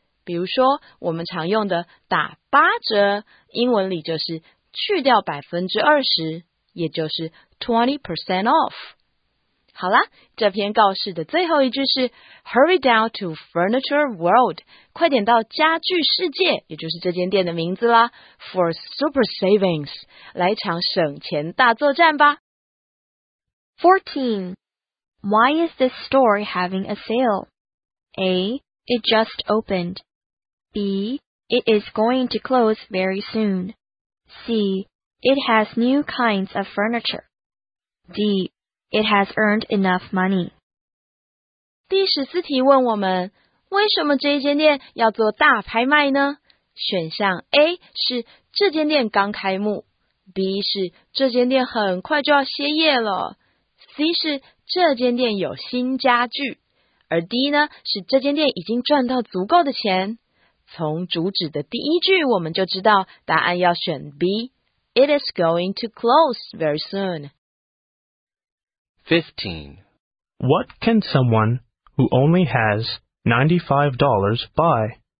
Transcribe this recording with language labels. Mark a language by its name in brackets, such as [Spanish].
[Chinese] 比如说我们常用的打八折，英文里就是去掉20%，也就是 [English] 20% off。 [Chinese] 好啦，这篇告示的最后一句是 [English] Hurry down to Furniture World， [Chinese] 快点到家具世界，也就是这间店的名字啦， [English] For super savings， [Chinese] 来场省钱大作战吧。 [English] 14. Why is this store having a sale? A. It just opened. B. It is going to close very soon. C. It has new kinds of furniture. D. It has earned enough money. [Chinese] 第十四题问我们，为什么这一间店要做大拍卖呢？选项 A 是这间店刚开幕， B 是这间店很快就要歇业了， C 是这间店有新家具，而 D 呢是这间店已经赚到足够的钱。从主旨的第一句我们就知道答案要选 B， [English] It is going to close very soon。 15. What can someone who only has $95 buy?